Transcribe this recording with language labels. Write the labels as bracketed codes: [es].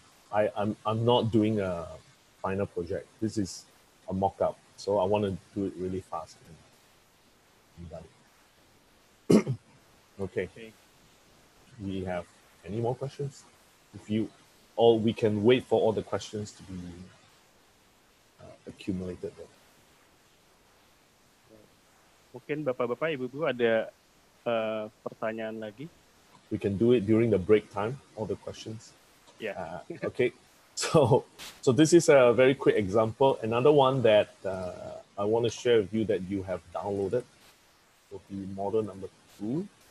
[en] I'm not doing a final project. This is a mock-up, so I want to do it really fast. Okay. We have any more questions? We can wait for all the questions to be accumulated. Then. [id] Mungkin Bapak-bapak, Ibu-ibu ada pertanyaan lagi? [en] We can do it during the break time, all the questions. Yeah. Okay. So this is a very quick example. Another one that I want to share with you that you have downloaded will be model number 2.